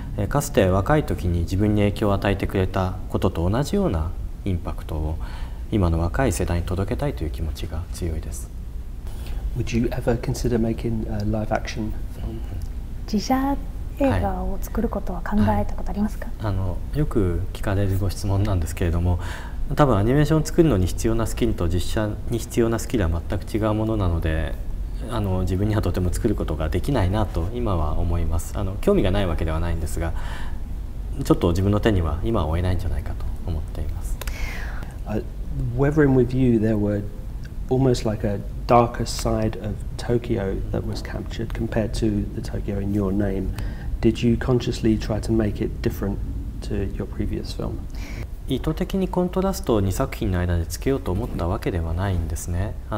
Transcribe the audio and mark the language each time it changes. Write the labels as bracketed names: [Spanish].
[Japanese] かつて若い時に自分に影響を与えてくれたことと同じようなインパクトを今の若い世代に届けたいという気持ちが強いです。 [English] Would you ever consider making a live action film? [Japanese] 自社映画を作ることは考えたことありますか？よく聞かれるご質問なんですけれども、多分アニメーションを作るのに必要なスキルと実写に必要なスキルは全く違うものなので、自分にはとても作ることができないなと今は思います。興味がないわけではないんですが、ちょっと自分の手には今は負えないんじゃないかと思っています。 [English] Weathering With You, there were almost like a darker side of Tokyo that was captured compared to the Tokyo in your name. Did you consciously try to make it different to your previous film? [Japanese] 意図的にコントラストを2作品の間でつけようと思ったわけではないんですね。